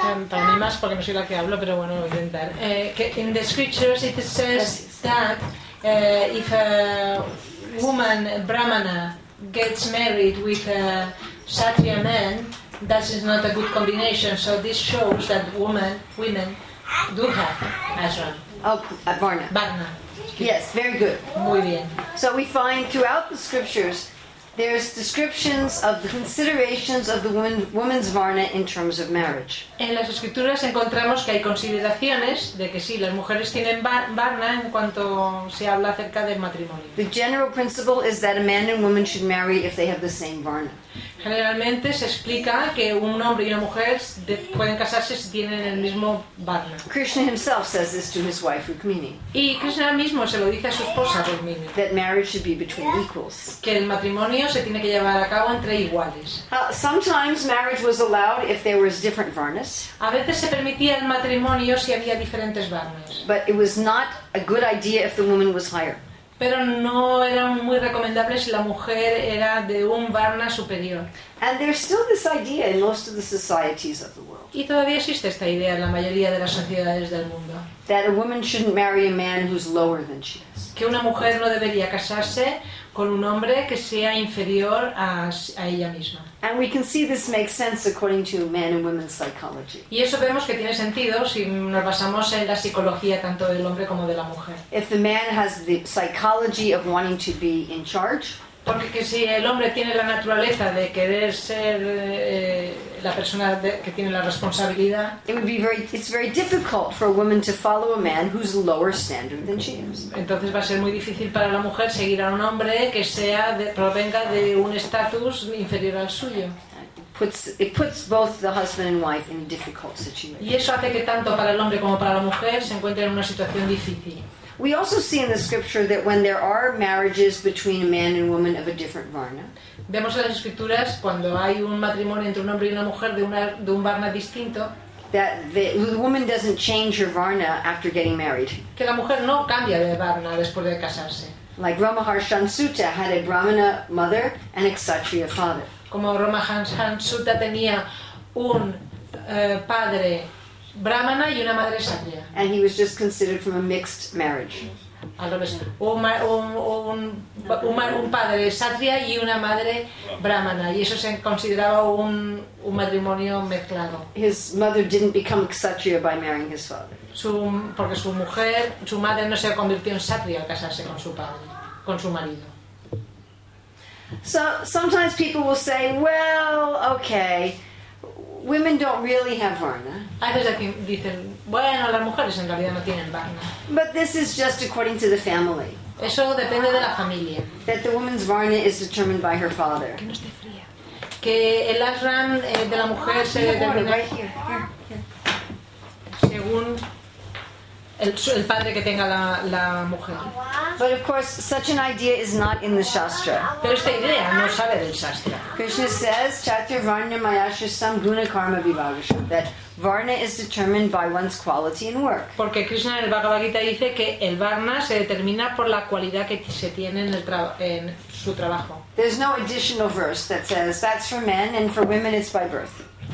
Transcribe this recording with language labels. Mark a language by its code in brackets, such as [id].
[es] Para mí más, porque no soy la que hablo, pero bueno, voy a intentar. [en] In the scriptures it says that if a woman, a brahmana, gets married with a kshatriya man, that is not a good combination. So this shows that women do have ashram. Oh, varna. Varna. Yes, very good. [es] Muy bien. [en] So we find throughout the scriptures there's descriptions of the considerations of the woman's varna in terms of marriage. [es] En las escrituras encontramos que hay consideraciones de que sí, las mujeres tienen varna en cuanto se habla acerca del matrimonio. [en] The general principle is that a man and woman should marry if they have the same varna. [es] Generalmente se explica que un hombre y una mujer pueden casarse si tienen el mismo varna. [en] Krishna himself says this to his wife Rukmini. [es] Y Krishna mismo se lo dice a su esposa Rukmini. [en] That marriage should be between equals. [es] Que el matrimonio se tiene que llevar a cabo entre iguales. [en] Sometimes marriage was allowed if there was different varnas. [es] A veces se permitía el matrimonio si había diferentes varnas. [en] But it was not a good idea if the woman was higher. [es] Pero no era muy recomendable si la mujer era de un varna superior. [en] And there's still this idea in most of the societies of the world. [es] Y todavía existe esta idea en la mayoría de las sociedades del mundo. [en] That a woman shouldn't marry a man who's lower than she is. [es] Que una mujer no debería casarse con un hombre que sea inferior a ella misma. [en] And we can see this makes sense according to men and women's psychology. [es] Y eso vemos que tiene sentido si nos basamos en la psicología tanto del hombre como de la mujer. [en] If the man has the psychology of wanting to be in charge. [es] Porque si el hombre tiene la naturaleza de querer ser la persona que tiene la responsabilidad, [en] it would be very difficult for a woman to follow a man who's lower standard than she is. [es] Entonces va a ser muy difícil para la mujer seguir a un hombre que sea provenga de un estatus inferior al suyo. [en] It puts both the husband and wife in a difficult situation. [es] Y eso hace que tanto para el hombre como para la mujer se encuentren en una situación difícil. [en] We also see in the scripture that when there are marriages between a man and woman of a different varna. [es] Vemos en las escrituras cuando hay un matrimonio entre un hombre y una mujer de un varna distinto. [en] That the woman doesn't change her varna after getting married. [es] Que la mujer no cambia de varna después de casarse. [en] Like Ramaharshansuta had a brahmana mother and a kshatriya father. [es] Como Ramaharshansuta tenía un padre brahmana y una madre kshatriya. [en] And he was just considered from a mixed marriage. [es] Un padre kshatriya y una madre brahmana, y eso se consideraba un matrimonio mezclado. [en] His mother didn't become kshatriya by marrying his father. [es] Su madre no se convirtió en kshatriya al casarse con su padre, con su marido. [en] So sometimes people will say, well, okay, women don't really have varna. [es] A veces dicen, bueno, las mujeres en realidad no tienen varna. [en] But this is just according to the family. [es] Eso depende de la familia. [en] That the woman's varna is determined by her father. [es] Que no esté fría. Que el ashram de la mujer se determina según el padre que tenga la mujer. [en] But of course, such an idea is not in the shastra. [es] Pero esta idea no sale del shastra. [en] Krishna says, [sa] "Chatur varna mayashasam guna karma vibhagasham." [en] That varna is determined by one's quality and work. [es] Porque Krishna en el Bhagavad Gita dice que el varna se determina por la cualidad que se tiene en su trabajo. [en] There's no additional verse that says that's for men and for women it's by birth.